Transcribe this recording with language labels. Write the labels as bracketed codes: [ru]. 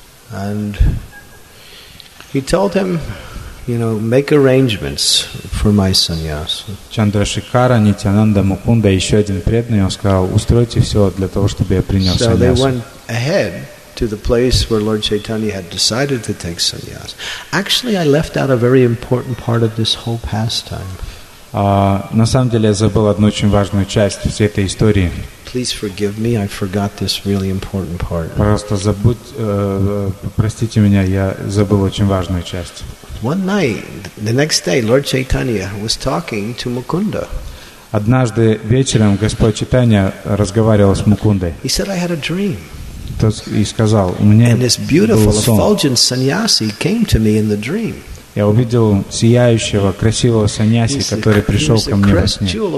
[en] And he told him, you know, make arrangements for my sannyas. [ru] Chandrasekhara, Nityananda, Mukunda, еще один преданный, он сказал, устройте все для того, чтобы я принял sannyas. [en] So they went ahead to the place where Lord Chaitanya had decided to take sannyas. Actually, I left out a very important part of this whole pastime. [ru] На самом деле, я забыл одну очень важную часть всей этой истории. [en] Please forgive me, I forgot this really important part. [ru] Пожалуйста, простите меня, я забыл очень важную часть. [en] One night, the next day, Lord Chaitanya was talking to Mukunda. [ru] Однажды вечером Господь Чайтанья разговаривал с Мукундой. [en] He said, I had a dream. [ru] И сказал, у меня был сон. [en] And this beautiful, effulgent sannyasi came to me in the dream. [ru] Я увидел сияющего, красивого саньяси, который пришел ко мне во сне.